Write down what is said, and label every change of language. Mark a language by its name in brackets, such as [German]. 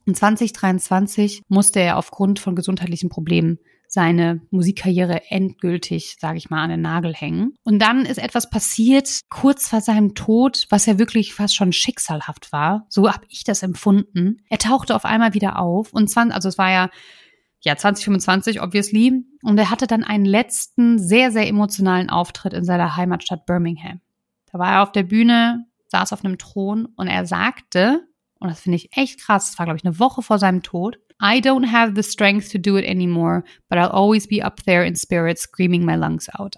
[German] In 2023 musste er aufgrund von gesundheitlichen Problemen seine Musikkarriere endgültig, sage ich mal, an den Nagel hängen. Und dann ist etwas passiert, kurz vor seinem Tod, was ja wirklich fast schon schicksalhaft war. So habe ich das empfunden. Er tauchte auf einmal wieder auf. Und zwar, also es war ja 2025, obviously. Und er hatte dann einen letzten, sehr, sehr emotionalen Auftritt in seiner Heimatstadt Birmingham. Da war er auf der Bühne, saß auf einem Thron und er sagte, und das finde ich echt krass, das war, glaube ich, eine Woche vor seinem Tod, [English] I don't have the strength to do it anymore, but I'll always be up there in spirit screaming my lungs out.